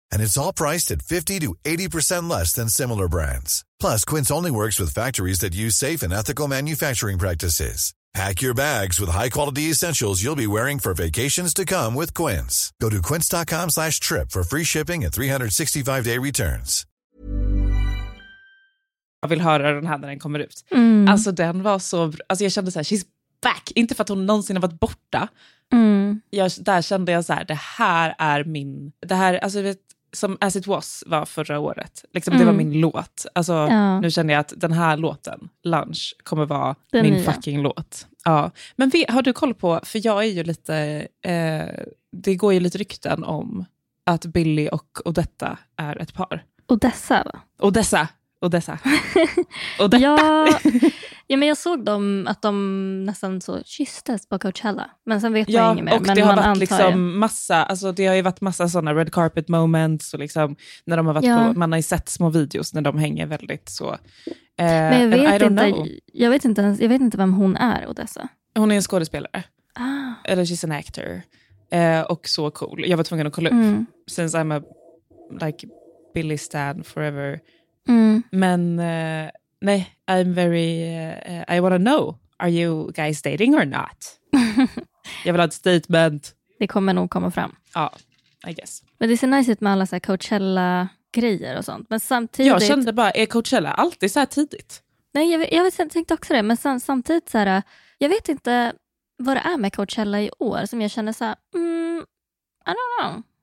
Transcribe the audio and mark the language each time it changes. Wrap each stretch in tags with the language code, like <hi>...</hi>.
<en>And it's all priced at 50 to 80% less than similar brands. Plus, Quince only works with factories that use safe and ethical manufacturing practices. Pack your bags with high-quality essentials you'll be wearing for vacations to come with Quince. Go to quince.com/trip for free shipping and 365-day returns.</en> <sv>jag vill höra den här när den kommer ut. Mm. Alltså den var så, alltså jag kände så här,</sv> <en>she's back,</en> <sv>inte för att hon någonsin har varit borta. Mm. Jag, där kände jag så här, det här är min, det här, alltså vet, som As It Was var förra året. Liksom, mm. Det var min låt. Alltså, ja. Nu känner jag att den här låten, Lunch, kommer vara den min nya fucking låt. Ja. Men vi, har du koll på, för jag är ju lite, det går ju lite rykten om att Billy och Odetta är ett par. Odessa, va? Odessa. Odessa. Odetta. Ja. Ja, men jag såg dem, att de nästan så kysstes på Coachella. Men sen vet jag inget mer. Och men det har varit liksom massa, alltså det har ju varit massa sådana red carpet moments och liksom när de har varit, ja, på, man har ju sett små videos när de hänger väldigt så. Men jag vet inte, jag vet inte ens, jag vet inte vem hon är, Odessa. Hon är en skådespelare. Ah. Eller</sv> <en>she's an actor.</en> <sv>Och så</sv> <en>cool.</en> <sv>Jag var tvungen att kolla upp. Mm.</sv> <en>Since I'm a like Billy stan forever. Mm.</en> <sv>Men nej,</sv> <en>I'm very, I wanna know, are you guys dating or not?</en> <sv>Jag vill ha ett statement. Det kommer nog komma fram.</sv> <en>Ja, I guess.</en> <sv>Men det är så nice med alla så här Coachella-grejer och sånt. Men samtidigt, jag kände bara, är Coachella alltid så här tidigt? Nej, jag tänkte också det. Men samtidigt så här, jag vet inte vad det är med Coachella i år som jag känner så här,</sv> <en>I don't know.</en>